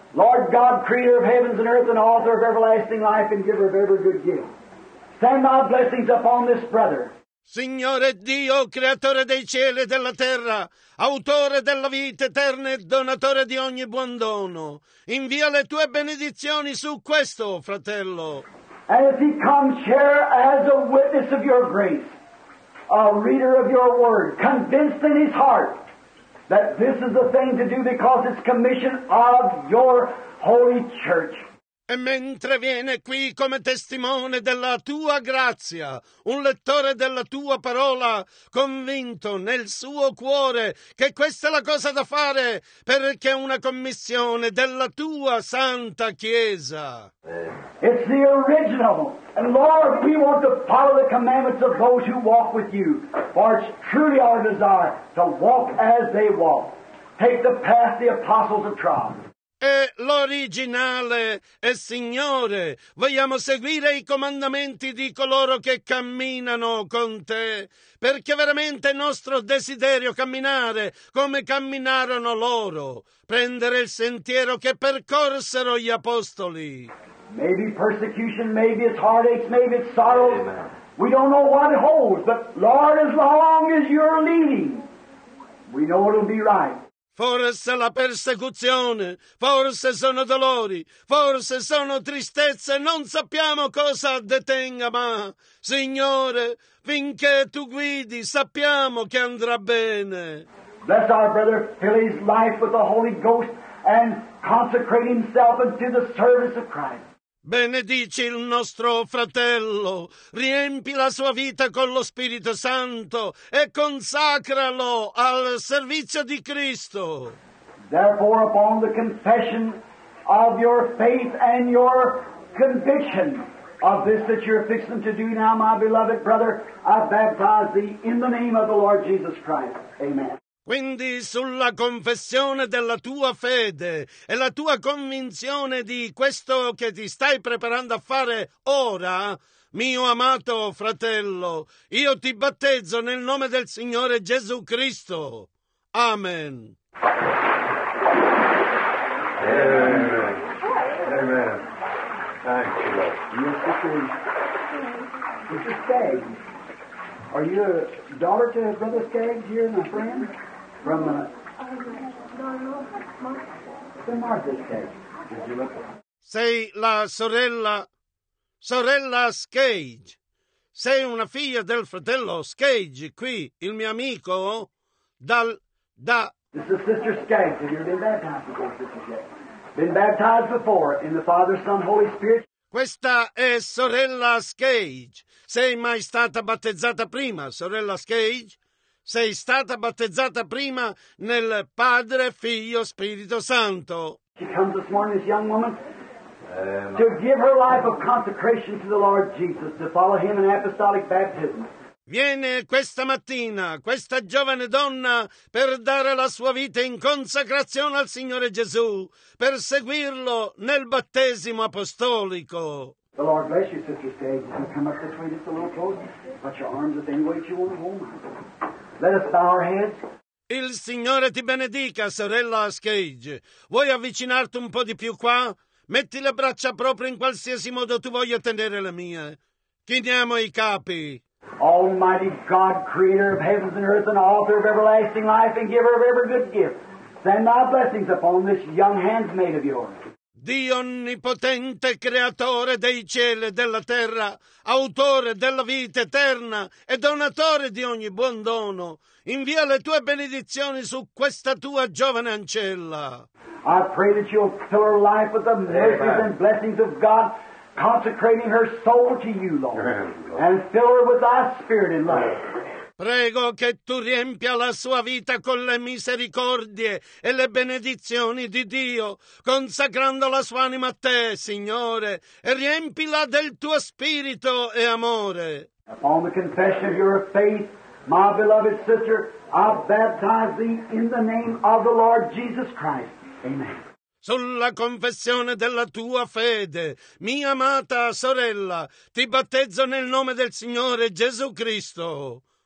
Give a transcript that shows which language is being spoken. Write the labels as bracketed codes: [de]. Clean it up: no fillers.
[en] Lord God, creator of heavens and earth and author of everlasting life and giver of every good gift, send my blessings upon this brother. [it] Signore Dio, creatore dei cieli e della terra, autore della vita eterna e donatore di ogni buon dono, invia le tue benedizioni su questo, fratello. [en] And as he comes, share as a witness of your grace, a reader of your word, convinced in his heart that this is the thing to do because it's commission of your holy church. [it] E mentre viene qui come testimone della tua grazia, un lettore della tua parola, convinto nel suo cuore che questa è la cosa da fare perché è una commissione della tua santa Chiesa. [en] It's the original. And Lord, we want to follow the commandments of those who walk with you. For it's truly our desire to walk as they walk. Take the path the apostles have trod. [it] È l'originale e Signore, vogliamo seguire i comandamenti di coloro che camminano con te, perché veramente è nostro desiderio camminare come camminarono loro, prendere il sentiero che percorsero gli apostoli. [en] Maybe persecution, maybe it's heartaches, maybe it's sorrows. We don't know what it holds, but Lord, as long as you're leading, we know it'll be right. [it] Forse la persecuzione, forse sono dolori, forse sono tristezze, non sappiamo cosa detenga, ma, Signore, finché Tu guidi, sappiamo che andrà bene. [en] Bless our brother, fill his life with the Holy Ghost and consecrate himself unto the service of Christ. [it] Benedici il nostro fratello, riempi la sua vita con lo Spirito Santo e consacralo al servizio di Cristo. [en] Therefore, upon the confession of your faith and your conviction of this that you're fixing to do now, my beloved brother, I baptize thee in the name of the Lord Jesus Christ. Amen. [it] Quindi sulla confessione della tua fede e la tua convinzione di questo che ti stai preparando a fare ora, mio amato fratello, io ti battezzo nel nome del Signore Gesù Cristo. [en] Amen. Amen. Amen. Thank you. Mr. Stagg, are you the daughter to Brother Stagg here, my friend? From Martha Stagg. [it] Sei la sorella? sorella Scage. Sei una figlia del fratello Scage, qui, il mio amico, da... [en] This is Sister Scage. Have you been baptized before, Sister Scage? Been baptized before in the Father, Son, Holy Spirit? [it] Questa è sorella Scage. Sei mai stata battezzata prima, sorella Scage? Sei stata battezzata prima nel Padre, Figlio, Spirito Santo. [en] She comes this morning, this young woman, to give her life of consecration to the Lord Jesus, to follow him in apostolic baptism. [it] Viene questa mattina questa giovane donna per dare la sua vita in consacrazione al Signore Gesù, per seguirlo nel battesimo apostolico. [en] The Lord bless you, Sister Stage. You come up this way just a little closer. Put your arms at any weight you want to hold. Let us bow our heads. [it] Il Signore ti benedica, sorella Scage. Vuoi avvicinarti un po' di più qua? Metti le braccia proprio in qualsiasi modo tu voglia tenere le mie. Chiniamo i capi. [en] Almighty God, creator of heavens and earth and author of everlasting life and giver of every good gift, send thy blessings upon this young handmaid of yours. [it] Dio onnipotente, creatore dei cieli e della terra, autore della vita eterna e donatore di ogni buon dono, invia le tue benedizioni su questa tua giovane ancella. [en] I pray that you'll fill her life with the mercies and blessings of God, consecrating her soul to you, Lord, and fill her with thy spirit and love. [it] Prego che tu riempia la sua vita con le misericordie e le benedizioni di Dio, consacrando la sua anima a te, Signore, e riempila del tuo spirito e amore. [en] Upon the confession of your faith, my beloved sister, I baptize thee in the name of the Lord Jesus Christ. Amen. [it] Sulla confessione della tua fede, mia amata sorella, ti battezzo nel nome del Signore Gesù Cristo.